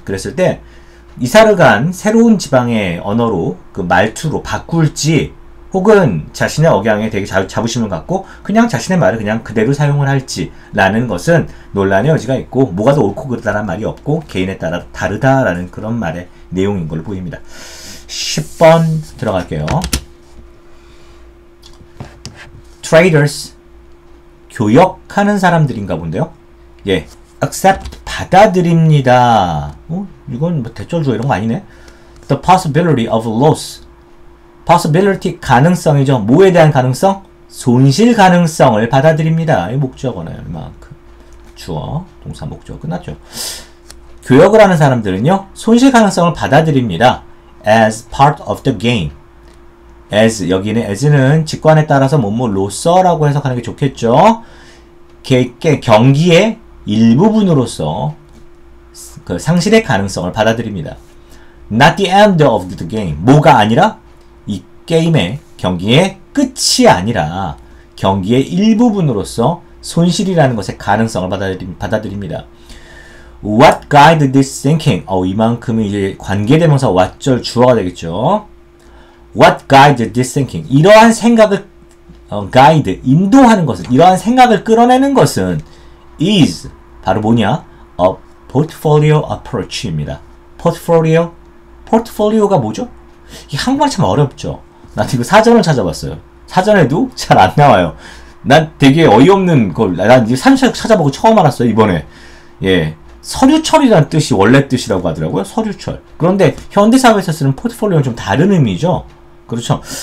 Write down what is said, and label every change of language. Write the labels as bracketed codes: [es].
[ko] 그랬을 때 이사를 간 새로운 지방의 언어로 그 말투로 바꿀지 혹은 자신의 억양에 되게 자부심을 갖고 그냥 자신의 말을 그냥 그대로 사용을 할지라는 것은 논란의 여지가 있고 뭐가 더 옳고 그르다라는 말이 없고 개인에 따라 다르다라는 그런 말의 내용인 걸로 보입니다. 10번 들어갈게요. Traders 교역하는 사람들인가 본데요. 예, accept 받아들입니다. 이건 뭐 대절주어 이런 거 아니네. [en] The possibility of loss, possibility 가능성이죠. [ko] 뭐에 대한 가능성? 손실 가능성을 받아들입니다. 이 목적어네요. 이만큼 주어, 동사 목적어 끝났죠. 교역을 하는 사람들은요, 손실 가능성을 받아들입니다. [en] As part of the game. [ko] as 여기는 as는 직관에 따라서 뭐뭐 로서라고 해석하는 게 좋겠죠. 경기의 일부분으로서 그 상실의 가능성을 받아들입니다. [en] not the end of the game [ko] 뭐가 아니라 이 게임의 경기의 끝이 아니라 경기의 일부분으로서 손실이라는 것의 가능성을 받아들입니다. [en] what guide this thinking [ko] 이만큼이 이제 관계대명사 what절 주어가 되겠죠. [en] What guided this thinking? [ko] 이러한 생각을 guide, 인도하는 것은, 이러한 생각을 끌어내는 것은 is, 바로 뭐냐? [en] a portfolio approach입니다. [ko] portfolio, portfolio가 뭐죠? 이게 한국말 참 어렵죠. 나 이거 사전을 찾아봤어요. 사전에도 잘 안 나와요. 난 되게 어이없는 걸, 난 이제 사전 찾아보고 처음 알았어요, 이번에. 예. 서류철이라는 뜻이 원래 뜻이라고 하더라고요, 서류철. 그런데 현대사회에서 쓰는 포트폴리오는 좀 다른 의미죠? 그렇죠.